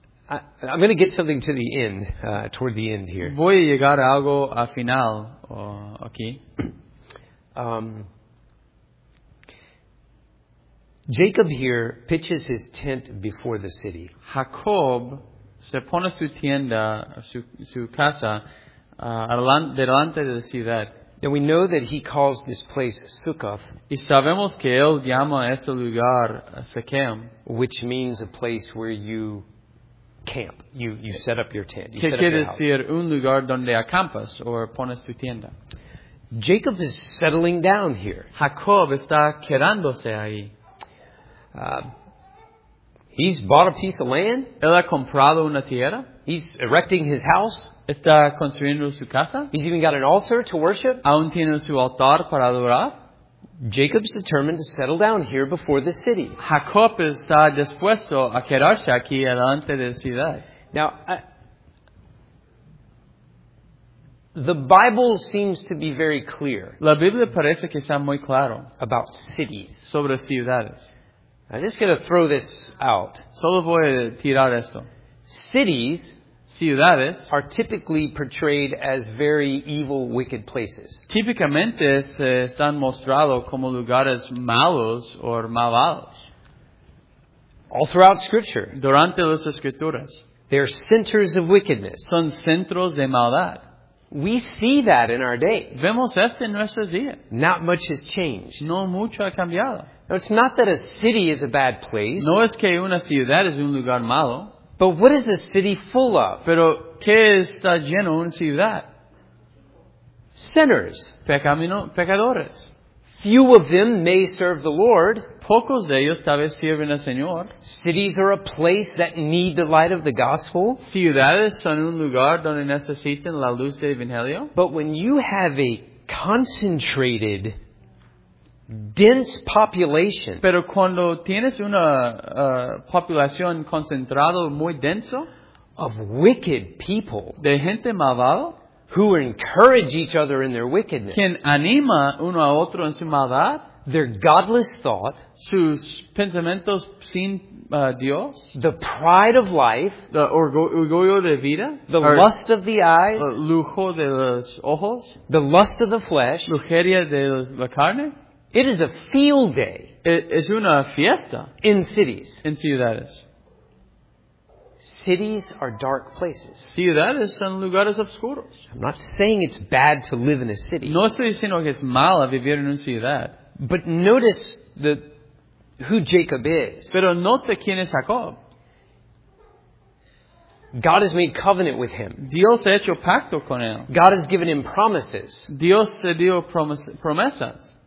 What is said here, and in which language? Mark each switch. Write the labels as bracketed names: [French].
[English] I'm going to get something to the end, toward the end here. [Spanish] Voy a llegar a algo al final, aquí. [English] Jacob here pitches his tent before the city. [Spanish] Jacob se pone su tienda, su casa, delante de la ciudad. [English] And we know that he calls this place Sukkoth. [Spanish] Y sabemos que él llama este lugar Shechem. [English] Which means a place where you camp. You set up your tent. [Spanish] Que quiere decir un lugar donde acampas o pones tu tienda. [English] Jacob is settling down here. [Spanish] Jacob está quedándose ahí. [English] He's bought a piece of land. [Spanish] Él ha comprado una tierra. [English] He's erecting his house. [Spanish] Está construyendo su casa. [English] He's even got an altar to worship. [Spanish] Aún tiene su altar para adorar. [English] Jacob's determined to settle down here before the city. [Spanish] Jacob está dispuesto a quedarse aquí delante de la ciudad. [English] Now, the Bible seems to be very clear. [Spanish] La Biblia parece que está muy claro. [English] About cities. [Spanish] Sobre ciudades. [English] I'm just going to throw this out. [Spanish] Solo voy a tirar esto. [English] Cities. [Spanish] Ciudades [English] are typically portrayed as very evil, wicked places. [Spanish] Típicamente se están mostrado como lugares malos o malvados. [English] All throughout Scripture. [Spanish] Durante las Escrituras. [English] They're centers of wickedness. [Spanish] Son centros de maldad. [English] We see that in our day. [Spanish] Vemos esto en nuestros días. [English] Not much has changed. [Spanish] No mucho ha cambiado. [English] No, it's not that a city is a bad place. [Spanish] No es que una ciudad es un lugar malo. [English] But what is the city full of? [Spanish] Pero ¿qué está lleno una ciudad? [English] Sinners. [Spanish] Pecadores. [English] Few of them may serve the Lord. [Spanish] Pocos de ellos tal vez sirven al Señor. [English] Cities are a place that need the light of the gospel. [Spanish] Ciudades son un lugar donde necesitan la luz del evangelio. [English] But when you have a concentrated, dense population. [Spanish] Pero cuando tienes una población concentrada muy denso. [English] Of wicked people. [Spanish] De gente malvada. [English] Who encourage each other in their wickedness. [Spanish] Quien anima uno a otro en su maldad. [English] Their godless thought. [Spanish] Sus pensamientos sin Dios. [English] The pride of life. [Spanish] The orgullo de vida. [English] The lust of the eyes. [Spanish] Lujo de los ojos. [English] The lust of the flesh. [Spanish] Lujeria de la carne. [English] It is a field day. [Spanish] Es una fiesta. [English] In cities. [Spanish] En ciudades. [English] Cities are dark places. [Spanish] Ciudades son lugares oscuros. [English] I'm not saying it's bad to live in a city. [Spanish] No estoy diciendo que es malo vivir en una ciudad. [English] But notice the who Jacob is. [Spanish] Pero note quién es Jacob. [English] God has made covenant with him. [Spanish] Dios ha hecho pacto con él. [English] God has given him promises. [Spanish] Dios le dio promesas.